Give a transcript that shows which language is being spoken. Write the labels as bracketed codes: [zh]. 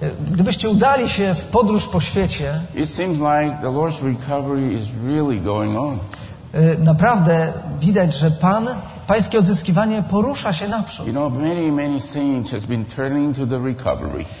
[pl] gdybyście udali się w podróż po świecie, [en] it seems like the Lord's recovery is really going on. [pl] Naprawdę widać, że Pan, Pańskie odzyskiwanie porusza się naprzód. [en] You know, many saints has been turning to the recovery.